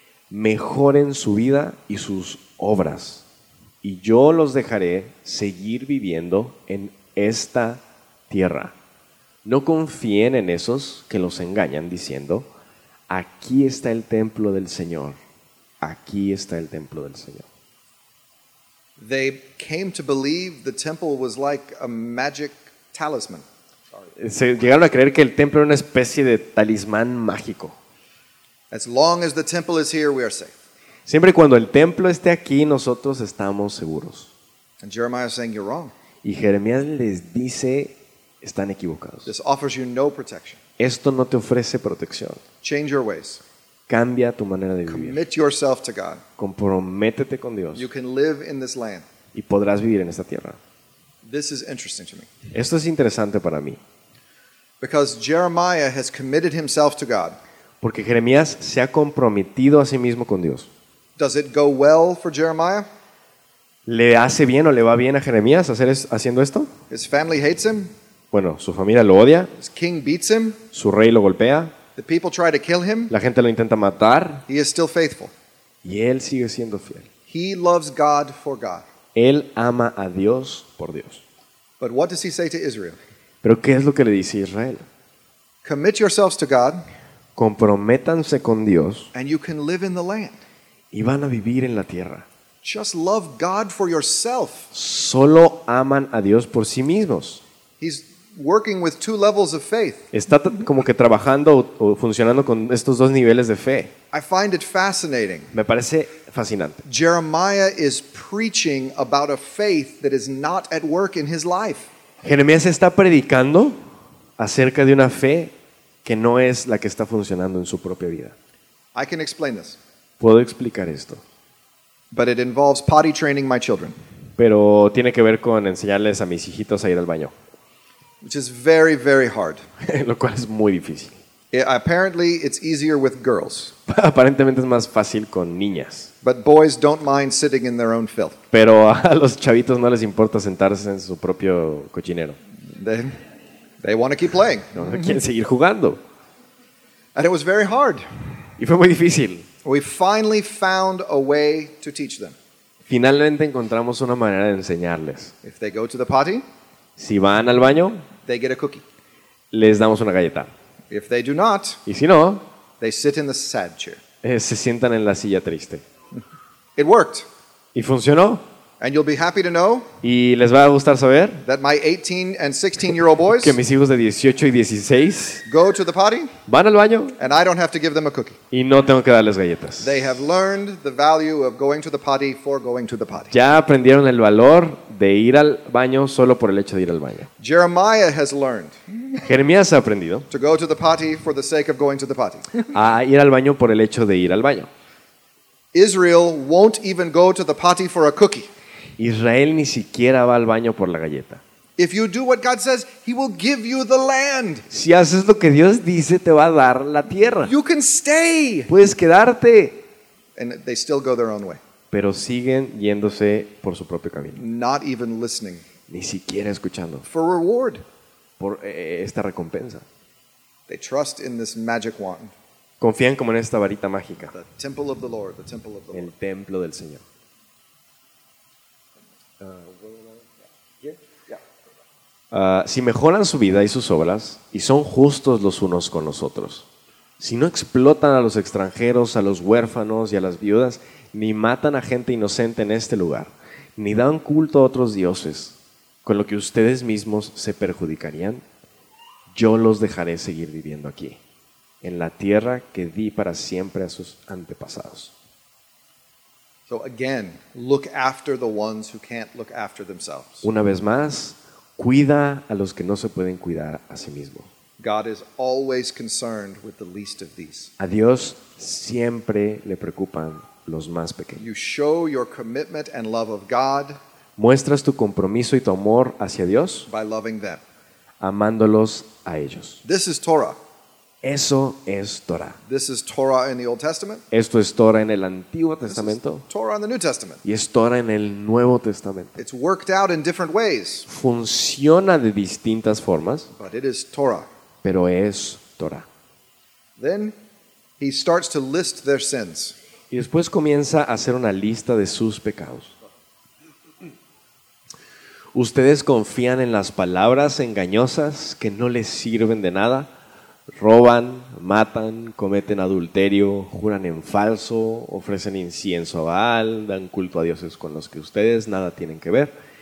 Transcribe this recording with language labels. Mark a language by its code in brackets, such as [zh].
[es] Mejoren su vida y sus obras, y yo los dejaré seguir viviendo en esta tierra. No confíen en esos que los engañan diciendo, aquí está el templo del Señor, aquí está el templo del Señor. [en] They came to believe the temple was like a magic talisman. [es] Se llegaron a creer que el templo era una especie de talismán mágico. [en] As long as the temple is here, we are safe. [es] Siempre y cuando el templo esté aquí, nosotros estamos seguros. [en] And Jeremiah is saying you're wrong. [es] Y Jeremías les dice, están equivocados. [en] This offers you no protection. [es] Esto no te ofrece protección. [en] Change your ways. [es] Cambia tu manera de vivir. [en] Commit yourself to God. [es] Comprométete con Dios. [en] You can live in this land. [es] Y podrás vivir en esta tierra. [en] This is interesting to me. [es] Esto es interesante para mí. [en] Because Jeremiah has committed himself to God. [es] Porque Jeremías se ha comprometido a sí mismo con Dios. [en] Does it go well for Jeremiah? [es] ¿Le hace bien o le va bien a Jeremías haciendo esto? [en] His family hates him. [es] Bueno, su familia lo odia. [en] His king beats him. [es] Su rey lo golpea. [en] The people try to kill him. [es] La gente lo intenta matar. [en] He is still faithful. [es] Y él sigue siendo fiel. [en] He loves God for God. [es] Él ama a Dios por Dios. [en] But what does he say to Israel? [es] ¿Pero qué es lo que le dice Israel? [en] Commit yourselves to God. [es] Comprométanse con Dios. [en] And you can live in the land. [es] Y van a vivir en la tierra. [en] Just love God for yourself. [es] Solo aman a Dios por sí mismos. [en] He's working with two levels of faith. [es] Está como que trabajando o funcionando con estos dos niveles de fe. [en] I find it fascinating. [es] Me parece fascinante. [en] Jeremiah is preaching about a faith that is not at work in his life. [es] Jeremías está predicando acerca de una fe que no es la que está funcionando en su propia vida. [en] I can explain this. [es] Puedo explicar esto. [en] But it involves potty training my children. [es] Pero tiene que ver con enseñarles a mis hijitos a ir al baño. [en] Which is very, very hard. [es] Lo cual es muy difícil. [en] Apparently, it's easier with girls. [es] Aparentemente es más fácil con niñas. [en] But boys don't mind sitting in their own filth. [es] Pero a los chavitos no les importa sentarse en su propio cochinero. [en] They want to keep playing. [es] No, quieren seguir jugando. [en] And it was very hard. [es] Y fue muy difícil. [en] We finally found a way to teach them. [es] Finalmente encontramos una manera de enseñarles. [en] If they go to the potty, [es] si van al baño, [en] they get a cookie. [es] Les damos una galleta. [en] If they do not, [es] y si no, [en] they sit in the sad chair. [es] Se sientan en la silla triste. [en] It worked. [es] Y funcionó. [en] And you'll be happy to know, [es] y les va a gustar saber, [en] that my 18 and 16-year-old boys, [es] que mis hijos de 18 y 16, [en] go to the potty, [es] van al baño, [en] and I don't have to give them a cookie. [es] Y no tengo que darles galletas. [en] They have learned the value of going to the potty for going to the potty. [es] Ya aprendieron el valor de ir al baño solo por el hecho de ir al baño. [en] Jeremiah has learned. [es] Jeremías ha aprendido. [en] To go to the potty for the sake of going to the potty. [es] A ir al baño por el hecho de ir al baño. [en] Israel won't even go to the potty for a cookie. [es] Israel ni siquiera va al baño por la galleta. [en] If you do what God says, he will give you the land. [es] Si haces lo que Dios dice, te va a dar la tierra. [en] You can stay. [es] Puedes quedarte. [en] And they still go their own way. [es] Pero siguen yéndose por su propio camino. [en] Not even listening. [es] Ni siquiera escuchando. [en] For reward. [es] Por esta recompensa. [en] They trust in this magic wand. [es] Confían como en esta varita mágica. [en] The temple of the Lord, the temple of the Lord. [es] El templo del Señor. Si mejoran su vida y sus obras y son justos los unos con los otros, si no explotan a los extranjeros, a los huérfanos y a las viudas, ni matan a gente inocente en este lugar, ni dan culto a otros dioses, con lo que ustedes mismos se perjudicarían, yo los dejaré seguir viviendo aquí, en la tierra que di para siempre a sus antepasados. [en] So again, look after the ones who can't look after themselves. [es] Una vez más, cuida a los que no se pueden cuidar a sí mismo. [en] God is always concerned with the least of these. [es] A Dios siempre le preocupan los más pequeños. [en] You show your commitment and love of God. [es] Muestras tu compromiso y tu amor hacia Dios. [en] By loving them. [es] Amándolos a ellos. [en] This is Torah. [es] Eso es Torah. [en] This is Torah in the Old Testament. [es] Esto es Torah en el Antiguo Testamento. [en] This is Torah in the New Testament. [es] Y es Torah en el Nuevo Testamento. [en] It's worked out in different ways. [es] Funciona de distintas formas. [en] But it is Torah. [es] Pero es Torah. [en] Then he starts to list their sins. [es] Y después comienza a hacer una lista de sus pecados. Ustedes confían en las palabras engañosas que no les sirven de nada. Roban, matan, cometen adulterio, juran en falso, ofrecen incienso a Baal, dan culto a dioses con los que ustedes nada tienen que ver.